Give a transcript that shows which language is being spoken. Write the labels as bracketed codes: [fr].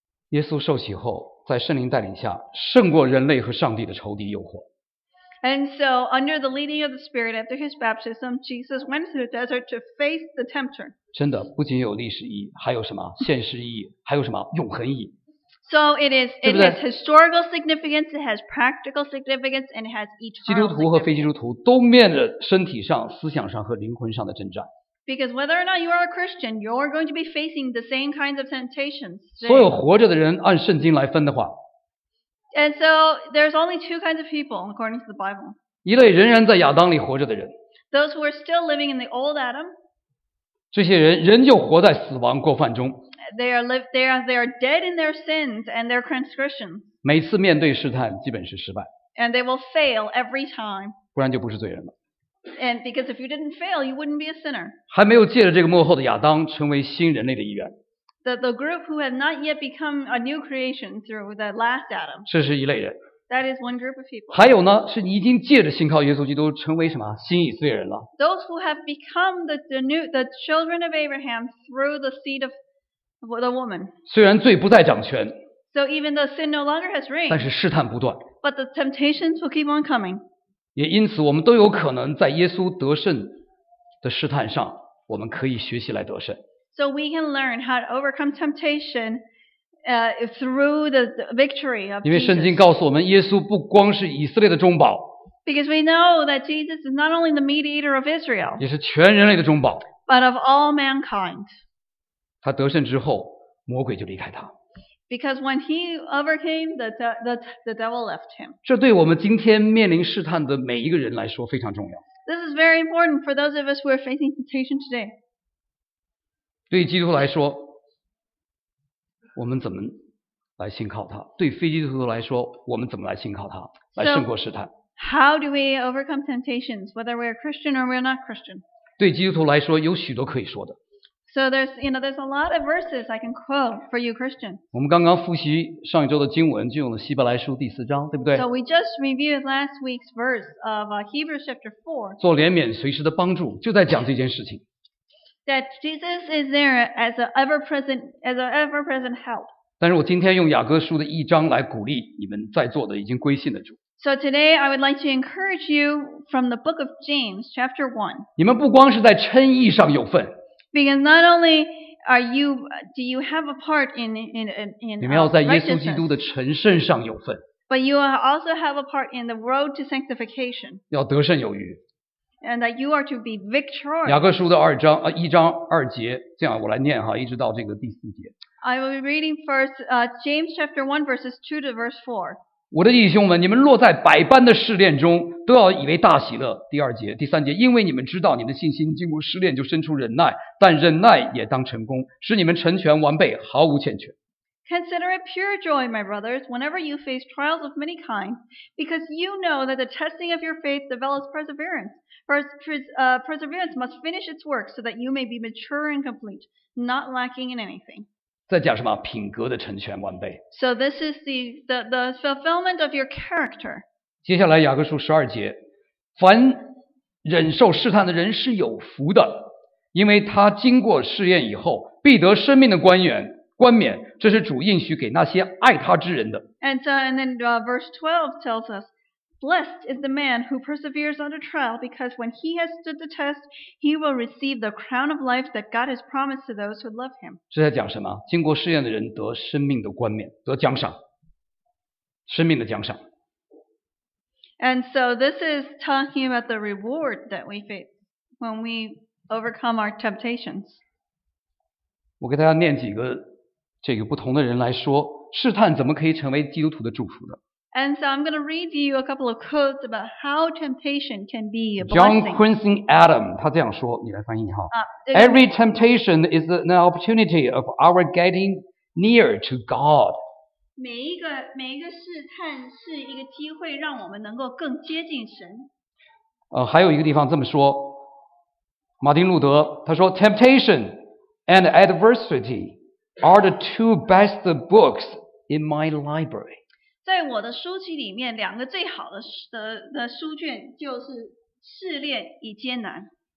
[zh] 耶稣受洗后，在圣灵带领下，胜过人类和上帝的仇敌诱惑。 [en] And so, under the leading of the Spirit, after his baptism, Jesus went to the desert to face the tempter. [zh] 真的，不仅有历史意义，还有什么现实意义，还有什么永恒意义。 [en] So it has historical significance, it has practical significance, and it has eternal significance. [zh] 基督徒和非基督徒都面临身体上、思想上和灵魂上的征战。 [en] Because whether or not you are a Christian, you are going to be facing the same kinds of temptations. [zh] 所有活着的人按圣经来分的话。 [en] And so there's only two kinds of people according to the Bible. [zh] 一类仍然在亚当里活着的人。 [en] Those who are still living in the old Adam. [zh] 这些人仍旧活在死亡过犯中。 [en] They are dead in their sins and their transgressions. [zh] 每次面对试探，基本是失败。 [en] And they will fail every time. [zh] 不然就不是罪人了。 [en] And because if you didn't fail, you wouldn't be a sinner. [zh] 还没有借着这个幕后的亚当成为新人类的一员。 [en] The group who have not yet become a new creation through the last Adam. [zh] 这是一类人。 [en] That is one group of people. [zh] 还有呢，是你已经借着信靠耶稣基督成为什么新以色列人了。 [en] Those who have become the children of Abraham through the seed of the woman. [zh] 虽然罪不再掌权。 [en] So even though sin no longer has reign. [zh] 但是试探不断。 [en] But the temptations will keep on coming. [zh] 也因此，我们都有可能在耶稣得胜的试探上，我们可以学习来得胜。 [en] So we can learn how to overcome temptation through the victory of Jesus. [zh] 因为圣经告诉我们，耶稣不光是以色列的中保。 [en] Because we know that Jesus is not only the mediator of Israel. [zh] 也是全人类的中保。 [en] But of all mankind. [zh] 他得胜之后，魔鬼就离开他。 [en] Because when he overcame, the devil left him. [zh] 这对我们今天面临试探的每一个人来说非常重要。 [en] This is very important for those of us who are facing temptation today. [zh] 对基督徒来说，我们怎么来信靠他？对非基督徒来说，我们怎么来信靠他，来胜过试探 [en] ？How do we overcome temptations, whether we're Christian or we're not Christian? [zh] 对基督徒来说，有许多可以说的。 [en] So there's a lot of verses I can quote for you Christian. [zh] 我们刚刚复习上一周的经文，就用了希伯来书第四章，对不对 [en] ？So we just reviewed last week's verse of Hebrews chapter 4. [zh] 做怜悯随时的帮助，就在讲这件事情。 [en] that Jesus is there as an ever-present, as an ever-present help. [zh] 但是我今天用雅各书的一章来鼓励你们在座的已经归信的主。 [en] So today I would like to encourage you from the book of James, chapter 1. [zh] 你们不光是在称义上有份。 [en] Because not only are you, do you have a part in righteousness. [zh] 你们要在耶稣基督的成圣上有份。 [en] But you also have a part in the road to sanctification. [zh] 要得胜有余。 [en] And that you are to be victorious. [zh] 雅各书的二章，一章二节，这样我来念哈，一直到这个第四节。 [en] I will be reading first, James chapter 1 verses 2 to verse 4. [zh] 我的弟兄们，你们落在百般的试炼中，都要以为大喜乐。第二节、第三节，因为你们知道你们的信心经过试炼就生出忍耐，但忍耐也当成功，使你们成全完备，毫无欠缺。 [en] Consider it pure joy, my brothers, whenever you face trials of many kinds, because you know that the testing of your faith develops perseverance. Perseverance must finish its work so that you may be mature and complete, not lacking in anything. [zh] 再讲什么？品格的成全完备。 [en] So this is the fulfillment of your character. [zh] 接下来雅各书十二节，凡忍受试探的人是有福的，因为他经过试验以后，必得生命的冠冕。冠冕，这是主应许给那些爱他之人的。 [en] And so, and then verse 12 tells us, blessed is the man who perseveres under trial, because when he has stood the test, he will receive the crown of life that God has promised to those who love him. [zh] 这在讲什么？经过试验的人得生命的冠冕，得奖赏，生命的奖赏。 [en] And so this is talking about the reward that we face when we overcome our temptations. [zh] 我给大家念几个。这个不同的人来说，试探怎么可以成为基督徒的祝福呢？ [en] And so I'm going to read you a couple of quotes about how temptation can be a blessing. John Quincy Adams, [zh] 他这样说，你来翻译哈。 [en] Every temptation is an opportunity of our getting near to God. [zh] 每一个试探是一个机会，让我们能够更接近神。还有一个地方这么说，马丁路德他说 ， [en] temptation and adversity。 Are the two best books in my library. [zh] 在我的书籍里面，两个最好 的书卷就是试炼与艰难。